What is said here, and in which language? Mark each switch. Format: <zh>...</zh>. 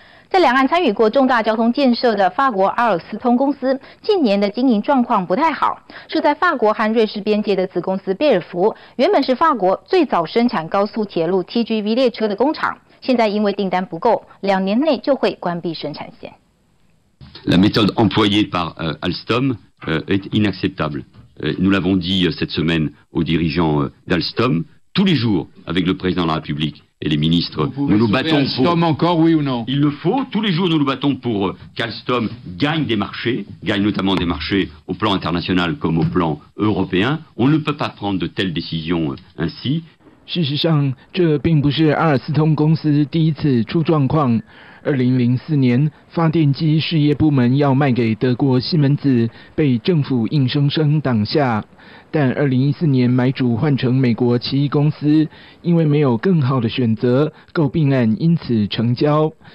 <zh>在两岸参与过重大交通建设的法国阿尔斯通公司近年的经营状况不太好，设在法国和瑞士边界的子公司贝尔福原本是法国最早生产高速铁路 TGV 列车的工厂，现在因为订单不够，2年内就会关闭生产线。</zh> <fr>La méthode employée par Alstom est inacceptable. Nous l'avons dit cette semaine aux dirigeants d'Alstom, tous les jours avec le président de la République et les ministres. Nous nous battons pour Alstom encore, oui ou non ? Il le faut. Tous les jours, nous nous battons pour qu'Alstom gagne des marchés, gagne notamment des marchés au plan international comme au plan européen. On ne peut pas prendre de telles décisions ainsi.</fr> <zh>事实上，这并不是阿尔斯通公司第一次出状况。 2004年，发电机事业部门要卖给德国西门子，被政府硬生生挡下。但2014年买主换成美国奇异公司，因为没有更好的选择，购并案因此成交。</zh>